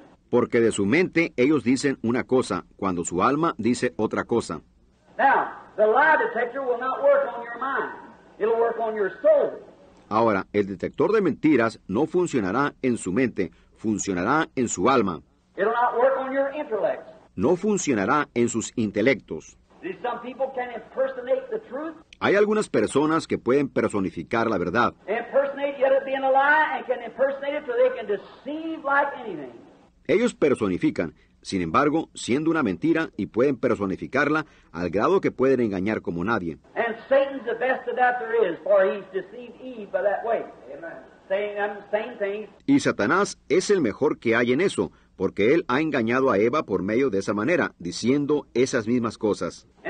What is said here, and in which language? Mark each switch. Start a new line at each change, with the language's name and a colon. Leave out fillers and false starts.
Spanish: Porque de su mente ellos dicen una cosa, cuando su alma dice otra cosa.
English: Now, the lie detector will not work on your mind. It'll work on your soul.
Spanish: Ahora, el detector de mentiras no funcionará en su mente, funcionará en su alma.
English: It'll not work on your intellect.
Spanish: No funcionará en sus intelectos.
English: Some people can impersonate the truth.
Spanish: Hay algunas personas que pueden personificar la verdad.
English: Impersonate, yet it being a lie, and can impersonate it so they can deceive like anything.
Spanish: Ellos personifican, sin embargo, siendo una mentira, y pueden personificarla al grado que pueden engañar como nadie.
English: And Satan's the best of that there is, for he's deceived Eve by that way. Amen. Same thing.
Spanish: Y Satanás es el mejor que hay en eso, porque él ha engañado a Eva por medio de esa manera, diciendo esas mismas cosas.